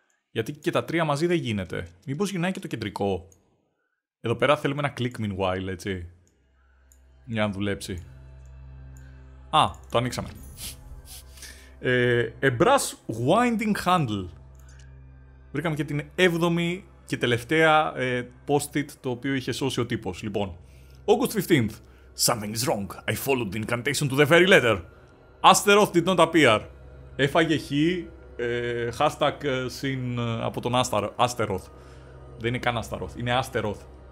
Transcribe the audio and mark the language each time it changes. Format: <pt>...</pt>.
<el>Γιατί και τα τρία μαζί δεν γίνεται. Μήπως γυρνάει και το κεντρικό. Εδώ πέρα θέλουμε ένα</el> <en>click meanwhile,</en> <el>έτσι. Για να δουλέψει. Α, το ανοίξαμε.</el> <en>A brass winding handle.</en> <el>Βρήκαμε και την 7η και τελευταία post-it το οποίο είχε σώσει ο τύπος.</el> <en>Λοιπόν, August 15th. Something is wrong. I followed the incantation to the very letter. Astaroth did not appear.</en> <el>Έφαγε χ. Hashtag συν από τον Astaroth. Δεν είναι καν Astaroth, είναι Astaroth.</el>